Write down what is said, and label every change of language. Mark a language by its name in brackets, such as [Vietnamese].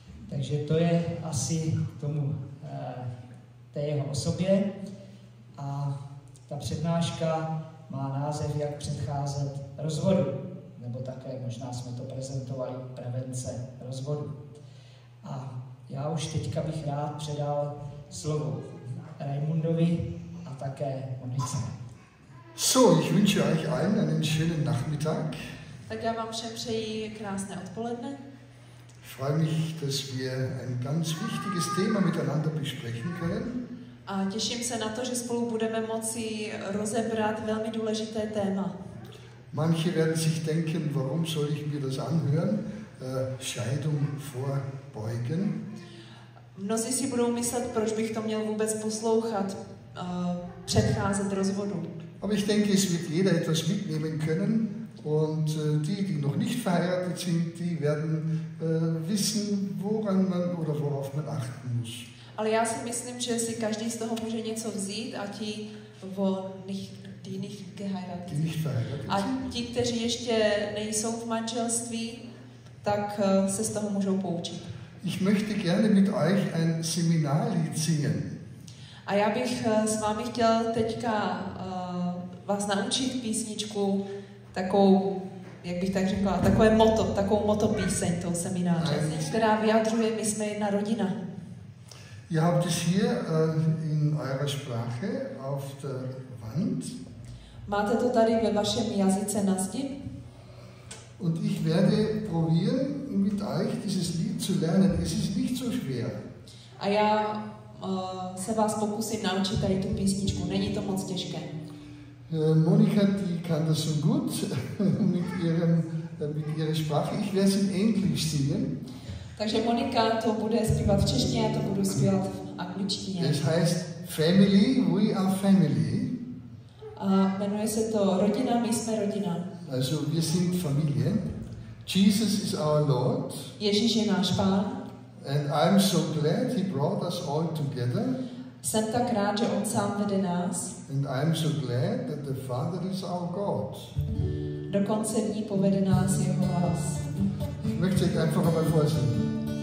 [Czech] Takže to je asi k tomu té jeho osobě a ta přednáška má název Jak předcházet rozvodu, nebo také možná jsme to prezentovali Prevence rozvodu. A já už teďka bych rád předal slovo Raimundovi a také Monice. [German] So, ich wünsche euch allen einen schönen Nachmittag. [Czech] Tak já vám všem přeji krásné odpoledne. [German] Freue mich, dass wir ein ganz wichtiges Thema miteinander besprechen können. [Czech] A těším se na to, že spolu budeme moci rozebrat velmi důležité téma. [German] Manche werden sich denken, warum soll ich mir das anhören? Scheidung vorbeugen. [Czech] Mnozí si budou myslet, proč bych to měl vůbec poslouchat, předcházet rozvodu. [German] Aber ich denke, es wird jeder etwas mitnehmen können. Und die, die noch nicht verheiratet sind, die werden wissen, woran man oder worauf man achten muss. [Czech] Ale já si myslím, že si každý z toho může něco vzít a ti, [German] wo nicht, die nicht geheiratet sind. Nicht verheiratet. [Czech] A ti, kteří ještě nejsou v manželství, tak se z toho můžou poučit. [German] Ich möchte gerne mit euch ein Seminarlied singen. [Czech] A já bych s vámi chtěl teďka vás naučit písničku, takovou, jak bych tak řekla, takové moto, takovou motopíseň toho semináře, která vyjadřuje, my jsme jedna rodina. [German] Ihr habt es hier in eurer Sprache auf der Wand. [Czech] Máte to tady ve vašem jazyce na zdi. [German] Und ich werde probieren, mit euch dieses Lied zu lernen. Es ist nicht so schwer. [Czech] A já se vás pokusím naučit tady tu písničku. Není to moc těžké. [German] Monika, die kann das so gut mit ihrer Sprache. Ich werde es in Englisch singen. [Czech] Takže Monika to bude zpívat v češtině, já to budu zpívat v angličtině. [German] Das heißt [English] Family, we are family. [Czech] A jmenuje se to Rodina, my jsme rodina. [German] Also wir sind Familie. [English] Jesus is our Lord. [Czech] Ježíš je náš Pán. [English] And I'm so glad he brought us all together. [Czech] Jsem tak rád, že On sám vede nás. [English] And I'm so glad that the Father is our God. [Czech] Dokonce v ní povede nás jeho hlas. [German] Ich möchte es einfach einmal vorsingen.